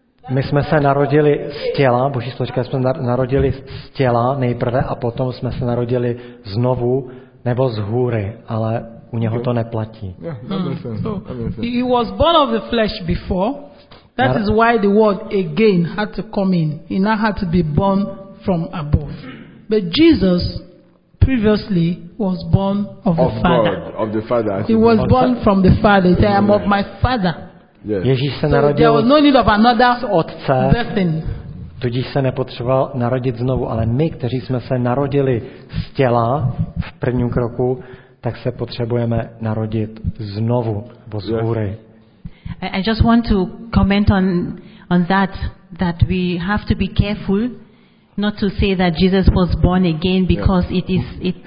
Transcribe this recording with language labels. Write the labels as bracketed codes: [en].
[cs] My jsme se narodili z těla, Boží slovo říká, jsme narodili z těla nejprve a potom jsme se narodili znovu nebo z hůry, ale u něho to neplatí. [en] He was born of the flesh before. That is why the word again had to come in. He now had to be born from above. But Jesus previously was born of the Father. Of the Father. He was born from the Father. I am of my Father. Yes. [cs] Ježíš se narodil z otce, tudíž se nepotřeboval narodit znovu, ale my, kteří jsme se narodili z těla v prvním kroku, tak se potřebujeme narodit znovu, bo z hůry. [en] I just want to comment on that we have to be careful not to say that Jesus was born again because it is it.